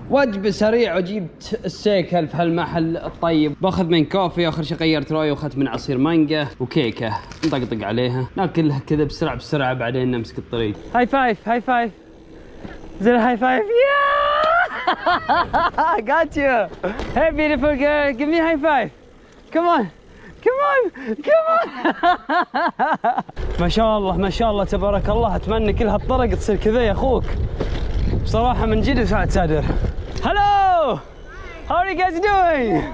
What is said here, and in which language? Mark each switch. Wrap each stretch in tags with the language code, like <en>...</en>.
<ar>وجبه سريع وجبت السيكل في هالمحل الطيب، باخذ من كوفي، اخر شيء غيرت رايي واخذت من عصير مانجا وكيكه نطقطق عليها، ناكلها كذا بسرعه بسرعه بعدين نمسك الطريق.</ar> <en>High five high five زي high five يا got you. Hey beautiful girl, give me a high five. Come on, come on, come on.</en> <ar>ما شاء الله ما شاء الله تبارك الله، أتمنى كل هالطرق تصير كذا يا أخوك. بصراحة من جد ساعد سادر.</ar> <en>Hello, how are you guys doing?</en>